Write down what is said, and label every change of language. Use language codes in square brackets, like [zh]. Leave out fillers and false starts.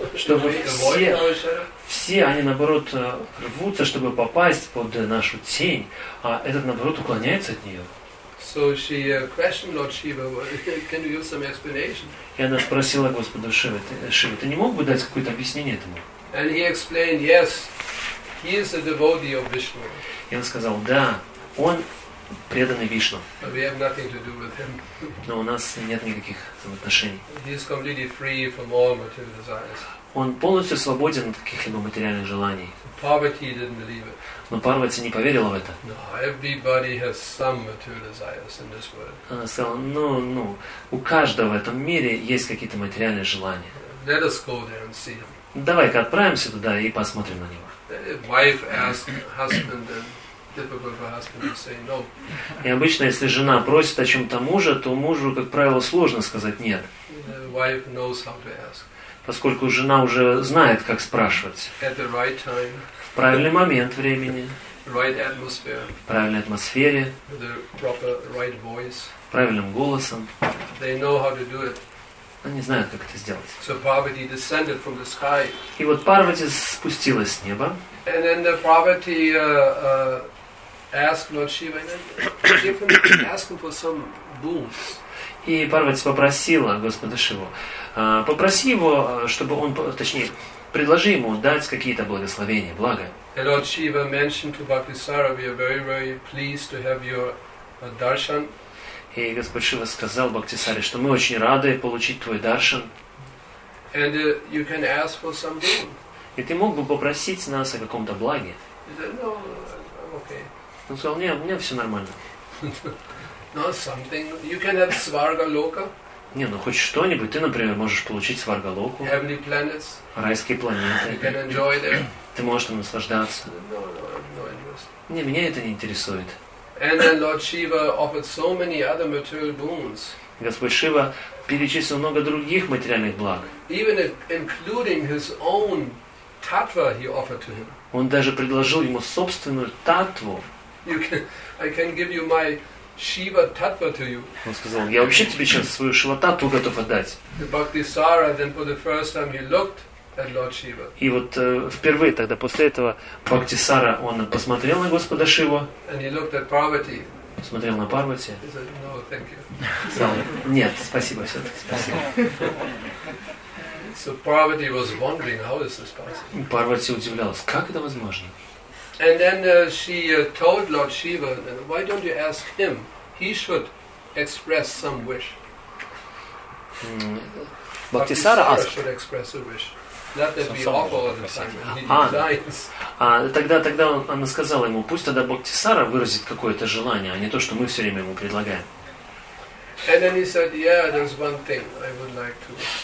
[ru] Чтобы все они наоборот рвутся, чтобы попасть под нашу тень, а этот наоборот уклоняется от нее. [en] So she questioned Lord Shiva, can you give some explanation? [ru] И она спросила Господа Шивы, Шива, ты не мог бы дать какое-то объяснение этому? [en] And he explained, yes, he is a devotee of Vishnu. [ru] И он сказал, да, он преданный Вишну. [en] But we have nothing to do with him. [ru] Но у нас нет никаких взаимоотношений. [en] He is completely free from all material desires. [ru] Он полностью свободен от каких-либо материальных желаний. [en] Parvati didn't believe it. [ru] Но Парвати не поверила в это. [en] No, everybody has some material desires in this world. [ru] Она сказала, ну, у каждого в этом мире есть какие-то материальные желания. [en] Let us go there and see him. [ru] Давай-ка отправимся туда и посмотрим на него. [en] Wife asked husband then. Typical for husband to say no. [ru] И обычно, если жена просит о чем-то мужа, то мужу, как правило, сложно сказать нет. [en] Wife knows how to ask. [ru] Поскольку жена уже знает, как спрашивать. [en] At the right time. [ru] В правильный момент времени. [en] Right atmosphere. [ru] В правильной атмосфере. [en] The proper right voice. [ru] Правильным голосом. [en] They know how to do it. [ru] Они знают, как это сделать. [en] So Parvati descended from the sky. [ru] И вот Парвати спустилась с неба. [en] And then the Parvati asked Lord Shiva, ask him for some boons. [ru] И Парвати попросила Господа Шиву, попроси его, чтобы он, точнее, предложи ему дать какие-то благословения, благо. [en] And Lord Shiva mentioned to Bhaktisara, we are very, very pleased to have your darshan. [ru] И Господь Шива сказал Бхактисаре, что мы очень рады получить твой даршан. [en] And you can ask for some boon. [ru] И ты мог бы попросить нас о каком-то благе. [en] Okay. [ru] Он сказал, нет, у меня все нормально. [en] No, something. You can have Svarga Loka. [ru] Не, ну хоть что-нибудь. Ты, например, можешь получить Сваргалоку. [en] Heavenly planets. [ru] Райские планеты. [en] You can enjoy them. [ru] Ты можешь там наслаждаться. [en] No, [ru] не, меня это не интересует. [en] And then Lord Shiva offered so many other material boons. [ru] Господь Шива перечислил много других материальных благ. [en] Even including his own tattva he offered to him. [ru] Он даже предложил ему собственную таттву. [en] I can give you my Shiva tattva to you. [ru] Он сказал, я вообще тебе сейчас свою Шива таттву готов отдать. [en] The Bhaktisara, then for the first time he looked at Lord Shiva. [ru] И вот впервые тогда после этого Бхактисара он посмотрел на Господа Шиву. [en] And he looked at Parvati. [ru] Смотрел на Парвати. [en] He said, no, thank you. [ru] Сказал, нет, спасибо, все, спасибо. [en] So Parvati was wondering, how is this possible? [ru] Парвати удивлялась, как это возможно? [en] And then she told Lord Shiva, why don't you ask him? He should express some wish. Бхактисара should express a wish. Let that be awful all the time. He designs. [ru] Тогда она сказала ему, пусть тогда Бхактисара выразит какое-то желание, а не то, что мы все время ему предлагаем. [en] And then he said, yeah, there's one thing I would like to.